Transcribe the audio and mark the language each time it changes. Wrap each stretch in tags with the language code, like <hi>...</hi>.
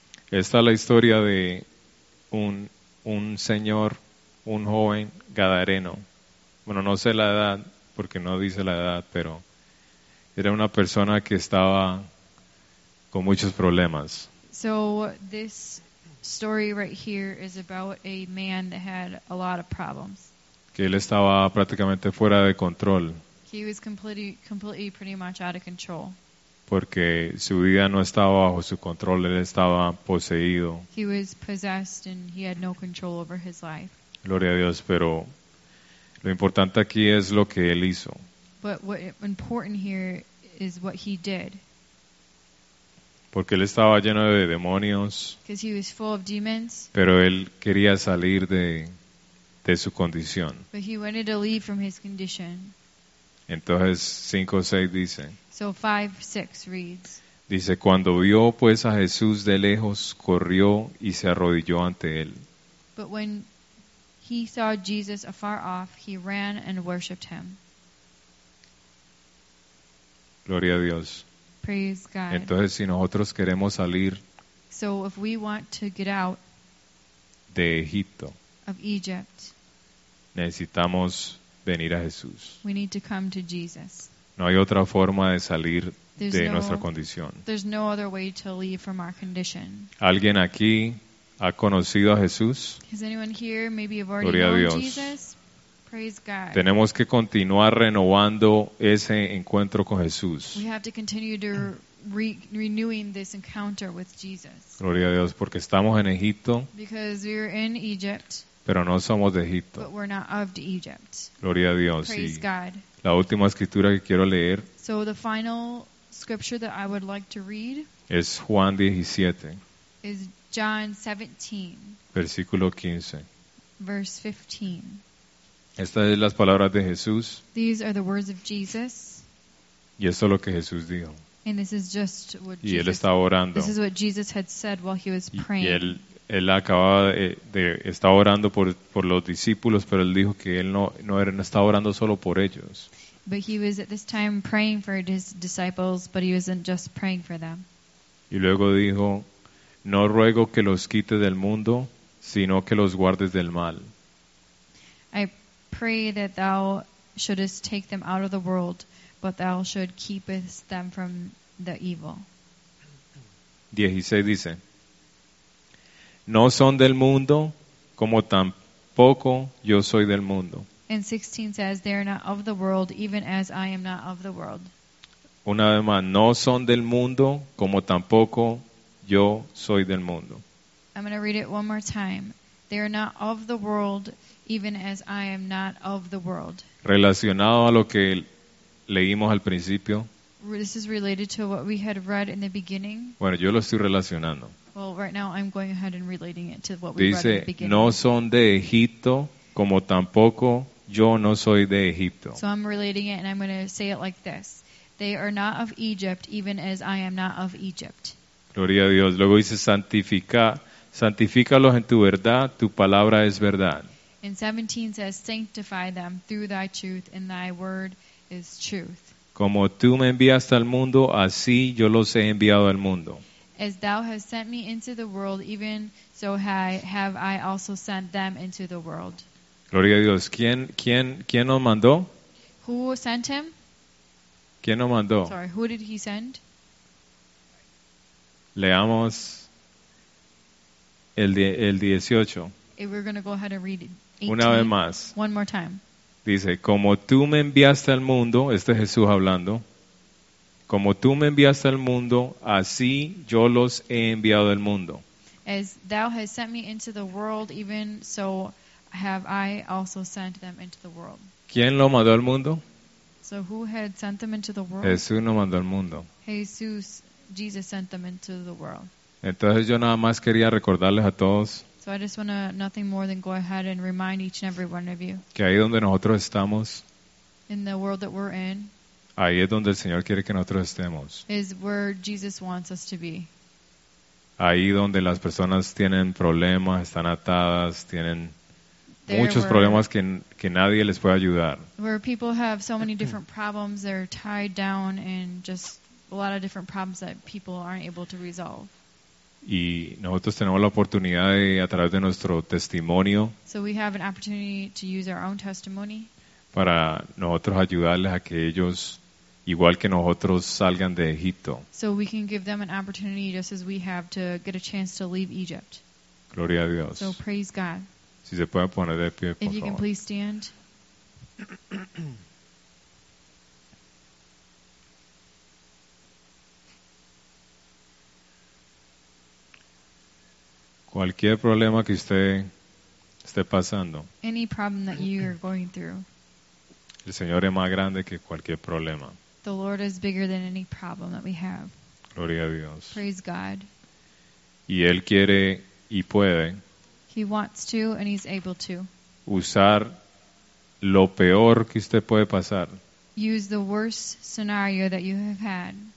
<es>Esta es la historia de un señor, un joven gadareno. Bueno, no sé la edad, porque no dice la edad, pero era una persona que estaba con muchos problemas.</es> <en>So, this story right here is about a man that had a lot of problems.</en> <es>Que él estaba prácticamente fuera de control.</es> <en>He was completely pretty much out of control.</en> <es>Porque su vida no estaba bajo su control, él estaba poseído.</es> <en>He was possessed and he had no control over his life.</en> <es>Gloria a Dios, pero lo importante aquí es lo que él hizo.</es> <en>But what important here is what he did.</en> <es>Porque él estaba lleno de demonios.</es> <en>Because he was full of demons.</en> <es>Pero él quería salir de su condición.</es> <en>But he wanted to leave from his condition.</en> <es>Entonces 5:6 dice.</es> <en>So 5:6 reads.</en> <es>Dice, cuando vio pues a Jesús de lejos, corrió y se arrodilló ante él.</es> <en>But when he saw Jesus afar off, he ran and worshipped him.</en> <es>Gloria a Dios.</es> <en>Praise God.</en> <es>Entonces, si nosotros queremos salir,</es> <en>so if we want to get out</en> <es>de Egipto,</es> <en>of Egypt,</en> <es>necesitamos venir a Jesús.</es> <en>We need to come to Jesus.</en> <es>No hay otra forma de salir de nuestra condición.</es> <en>There's no other way to leave from our condition.</en> <es>¿Alguien aquí ha conocido a Jesús?</es> <en>Has anyone here maybe have already known Jesus? Praise God.</en> <es>Tenemos que continuar renovando ese encuentro con Jesús.</es> <en>We have to continue to renewing this encounter with Jesus.</en> <es>Gloria a Dios, porque estamos en Egipto.</es> <en>Because we're in Egypt.</en> <es>Pero no somos de Egipto.</es> <en>But we're not of Egypt.</en> <es>Gloria a Dios.</es> <en>Praise God.</en> <es>La última escritura que quiero leer.</es> <en>So the final scripture that I would like to read</en> <es>es Juan 17.</es> <en>Is John 17.</en> <es>Versículo 15.</es> <en>Verse 15.</en> <es>Estas son las palabras de Jesús.</es> <en>These are the words of Jesus.</en> <es>Y esto es lo que Jesús dijo.</es> <en>And this is just what</en> <es>y él estaba orando.</es> <en>This is what Jesus had said while he was praying.</en> <es>Y él acababa de estaba orando por los discípulos, pero él dijo que él no estaba orando solo por ellos.</es> <en>But he was at this time praying for his disciples, but he wasn't just praying for them.</en> <es>Y luego dijo, no ruego que los quite del mundo, sino que los guardes del mal.</es> <en>Pray that thou shouldest take them out of the world, but thou should keepest them from the evil.</en> <es>16 dice, no son del mundo, como tampoco yo soy del mundo.</es> <en>And 16 says, they are not of the world, even as I am not of the world.</en> <es>Una vez más, no son del mundo, como tampoco yo soy del mundo.</es> <en>I'm going to read it one more time. They are not of the world, even as I am not of the world.</en> <es>Relacionado a lo que leímos al principio.</es> <en>This is related to what we had read in the beginning.</en> <es>Bueno, yo lo estoy relacionando.</es> <en>Well, right now I'm going ahead and relating it to what we</en> <es>dice,</es> <en>read in the beginning.</en> <es>Dice, no son de Egipto, como tampoco yo no soy de Egipto.</es> <en>So I'm relating it and I'm going to say it like this. They are not of Egypt, even as I am not of Egypt.</en> <es>Gloria a Dios. Luego dice, santifícalos en tu verdad, tu palabra es verdad.</es> <en>In 17 says, sanctify them through thy truth, and thy word is truth.</en> <es>Como tú me enviaste al mundo, así yo los he enviado al mundo.</es> <en>As thou hast sent me into the world, even so have I also sent them into the world.</en> <es>Gloria a Dios. ¿Quién nos mandó?</es> <en>Who sent him?</en> <es>¿Quién nos mandó?</es> <en>Sorry, who did he send?</en> <es>Leamos el 18.</es> <en>If we're going to go ahead and read 18.</en> <es>Una vez más.</es> <en>One more time.</en> <es>Dice, como tú me enviaste al mundo, este es Jesús hablando, como tú me enviaste al mundo, así yo los he enviado al mundo.</es> <en>As thou hast sent me into the world, even so have I also sent them into the world.</en> <es>¿Quién lo mandó al mundo?</es> <en>So who had sent them into the world?</en> <es>Jesús nos mandó al mundo.</es> <en>Jesus sent them into the world.</en> <es>Entonces yo nada más quería recordarles a todos.</es> <en>So I just want to nothing more than go ahead and remind each and every one of you.</en> <es>Que ahí donde nosotros estamos.</es> <en>In the world that we're in.</en> <es>Ahí es donde el Señor quiere que nosotros estemos.</es> <en>Is where Jesus wants us to be.</en> <es>Ahí donde las personas tienen problemas, están atadas, tienen muchos problemas que nadie les puede ayudar.</es> <en>Where people have so many different problems, they're tied down and just a lot of different problems that people aren't able to resolve.</en> <es>Y nosotros tenemos la oportunidad de, a través de nuestro testimonio,</es> <en>so we have an opportunity to use our own testimony,</en> <es>para nosotros ayudarles a que ellos, igual que nosotros, salgan de Egipto.</es> <en>So we can give them an opportunity, just as we have, to get a chance to leave Egypt.</en> <es>Gloria a Dios.</es> <en>So praise God.</en> <es>Si se pueden poner de pie, por favor.</es> <en>If you can please stand.</en> <es>Cualquier problema que usted esté pasando.</es> <en>Any problem that you are going through.</en> <es>El Señor es más grande que cualquier problema.</es> <en>The Lord is bigger than any problem that we have.</en> <es>Gloria a Dios.</es> <en>Praise God.</en> <es>Y Él quiere y puede.</es> <en>He wants to and He's able to.</en> <es>Usar lo peor que usted puede pasar.</es> <en>Use the worst scenario that you have had.</en>